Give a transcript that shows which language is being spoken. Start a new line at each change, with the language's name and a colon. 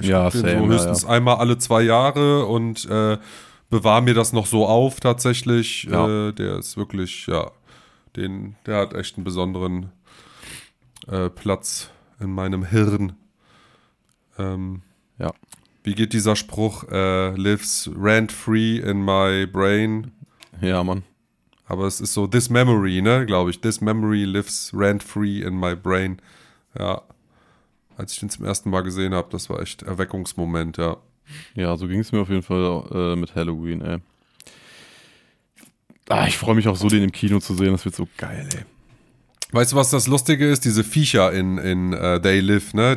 German: Ich gucke den höchstens einmal alle 2 Jahre und bewahre mir das noch so auf tatsächlich. Ja. Der ist wirklich, der hat echt einen besonderen Platz in meinem Hirn. Wie geht dieser Spruch?
English: Lives rent-free in my brain.
German: Ja, Mann. Aber es ist so,
English: this memory,
German: ne, glaube ich.
English: This memory lives rent-free in my brain.
German: Ja. Als ich den zum ersten Mal gesehen habe, das war echt Erweckungsmoment, ja. Ja, so ging es mir auf jeden Fall mit Halloween, ey. Ah, ich freue mich auch so, den im Kino zu sehen. Das wird so geil, ey. Weißt du, was das Lustige ist? Diese Viecher in They Live, ne?